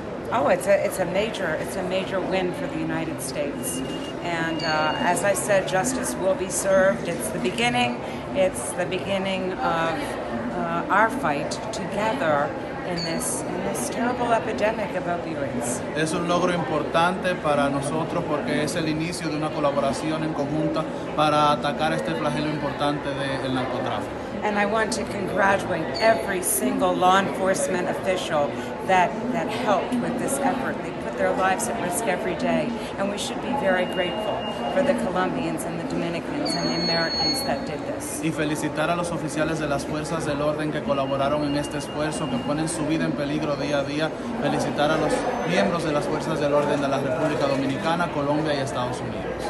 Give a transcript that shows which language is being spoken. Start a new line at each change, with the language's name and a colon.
English: Oh, it's a major win for the United States. And as I said, justice will be served. It's the beginning of our fight together in this terrible epidemic of opioids.
Spanish: Es un logro importante para nosotros porque es el inicio de una colaboración en conjunta para atacar este flagelo importante del narcotráfico.
English: And I want to congratulate every single law enforcement official that helped with this effort. They put their lives at risk every day. And we should be very grateful for the Colombians and the Dominicans and the Americans that did this.
Spanish: Y felicitar a los oficiales de las fuerzas del orden que colaboraron en este esfuerzo, que ponen su vida en peligro día a día. Felicitar a los miembros de las fuerzas del orden de la República Dominicana, Colombia y Estados Unidos.